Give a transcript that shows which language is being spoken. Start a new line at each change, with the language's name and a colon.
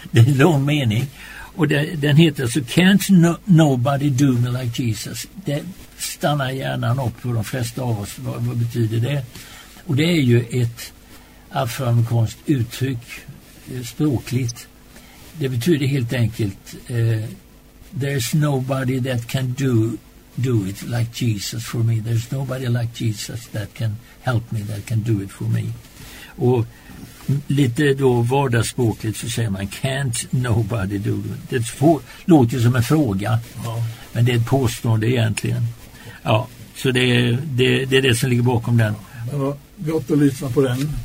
Swedish: Det är en lång mening, och den heter så Can't Nobody Do Me Like Jesus. Det stannar hjärnan upp för de flesta av oss, vad betyder det? Och det är ju ett afroamerikanskt uttryck, språkligt. Det betyder helt enkelt
English: there's nobody that can do it like Jesus for me. There's nobody like Jesus that can help me, that can do it for me.
Swedish: Och lite då vardagsspråkligt så säger man
English: can't nobody do it.
Swedish: Det låter som en fråga, ja. Men det är ett påstående egentligen. Ja, så det är det som ligger bakom den. Ja, gott att lyssna på den.